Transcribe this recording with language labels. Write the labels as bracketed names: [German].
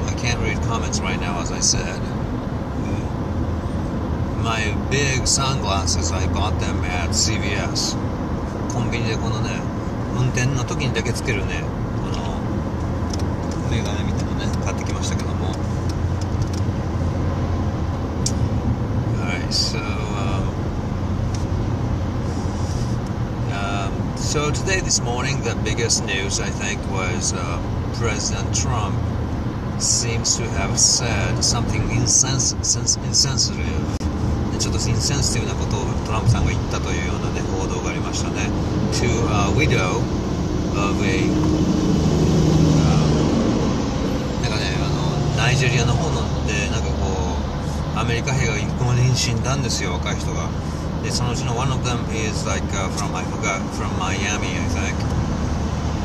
[English] I can't read comments right now as I said. My big sunglasses, I bought them at CVS. [Japanese] コンビニでこのね、運転の時にだけつけるね、このメガネみたいなのね、買ってきましたけども。 [English] Alright, soSo today, this morning, the biggest news, I think, was President Trump seems to have said something insensitive. [Japanese] ちょっと insensitive なことをトランプさんが言ったというようなね、報道がありましたね。 [English] To a widow of a... [Japanese] なんかね、あの、ナイジェリアの方の、で、なんかこう、アメリカ兵が5人死んだんですよ、若い人が。そのうちの [English] one of them is like from Miami, I think.